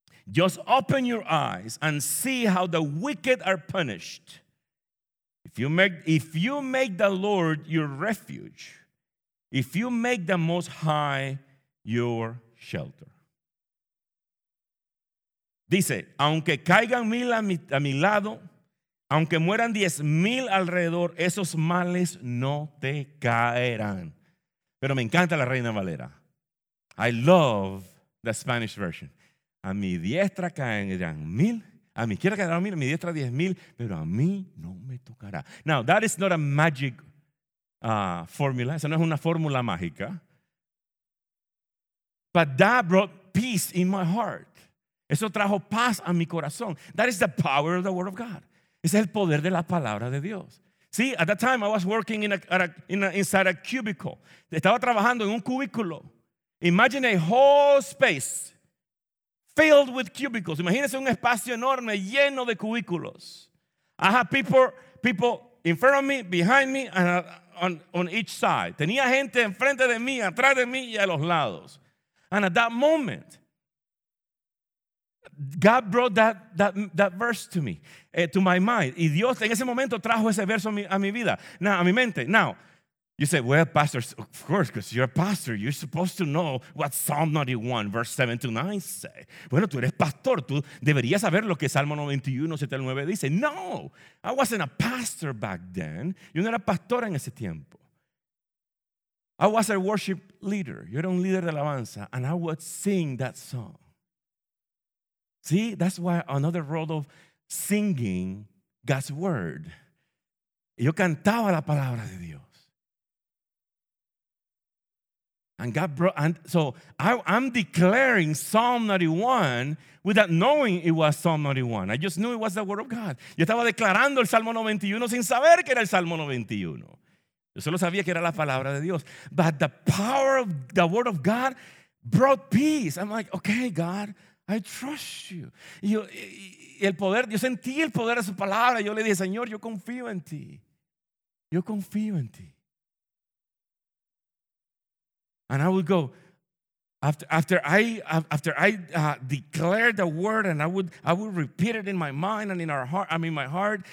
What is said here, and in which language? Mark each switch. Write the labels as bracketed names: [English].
[English] Just open your eyes and see how the wicked are punished. If you make the Lord your refuge, if you make the Most High your shelter. [Spanish] Dice, aunque caigan mil a mi lado, aunque mueran 10,000 alrededor, esos males no te caerán. Pero me encanta la Reina Valera. [English] I love the Spanish version. [Spanish] A mi diestra caerán mil, a mi izquierda caerán mil, a mi diestra 10,000, pero a mí no me tocará. [English] Now, that is not a magic formula. [Spanish] Esa no es una fórmula mágica. [English] But that brought peace in my heart. [Spanish] Eso trajo paz a mi corazón. [English] That is the power of the Word of God. [Spanish] Ese es el poder de la palabra de Dios. [English] See, at that time I was working inside a cubicle. [Spanish] Estaba trabajando en un cubículo. [English] Imagine a whole space filled with cubicles. [Spanish] Imagínese un espacio enorme lleno de cubículos. [English] I had people in front of me, behind me, and on each side. [Spanish] Tenía gente enfrente de mí, atrás de mí y a los lados. [English] And at that moment, God brought that verse to me, to my mind. [Spanish] Y Dios en ese momento trajo ese verso a mi vida, now, a mi mente. [English] Now, you say, well, pastor, of course, because you're a pastor, you're supposed to know what Psalm 91, verse 7 to 9 say. [Spanish] Bueno, tú eres pastor, tú deberías saber lo que Salmo 91, 7 al 9 dice. [English] No, I wasn't a pastor back then. [Spanish] Yo no era pastor en ese tiempo. [English] I was a worship leader. [Spanish] Yo era un líder de alabanza, [English] and I would sing that song. See, that's why another role of singing God's word [Spanish] Y yo cantaba la palabra de Dios. [English] And God brought, and so I'm declaring Psalm 91 without knowing it was Psalm 91. I just knew it was the word of God. [Spanish] Yo estaba declarando el Salmo 91 sin saber que era el Salmo 91. Yo solo sabía que era la palabra de Dios. [English] But the power of the word of God brought peace. I'm like, okay, God, I trust you. [Spanish] Y el poder, yo sentí el poder de su palabra. Yo le dije, Señor, yo confío en ti. Yo confío en ti. [English] And I would go, after I declared the word, and I would repeat it in my mind and in our heart, I mean my heart.